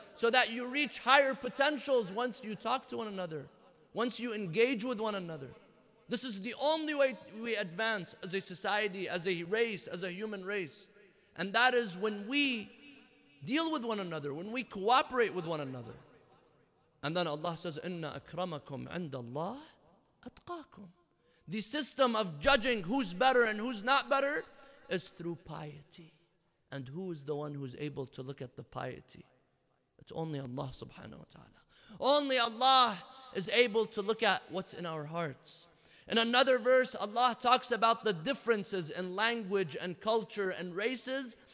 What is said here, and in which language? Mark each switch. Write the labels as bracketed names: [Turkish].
[English] So that you reach higher potentials once you talk to one another. Once you engage with one another. This is the only way we advance as a society, as a race, as a human race. And that is when we deal with one another, when we cooperate with one another. And then Allah says, [Arabic] إِنَّ أَكْرَمَكُمْ عِنْدَ اللَّهِ أَتْقَاكُمْ. [English] The system of judging who's better and who's not better is through piety. And who is the one who's able to look at the piety? It's only Allah subhanahu wa ta'ala. Only Allah is able to look at what's in our hearts. In another verse, Allah talks about the differences in language and culture and races,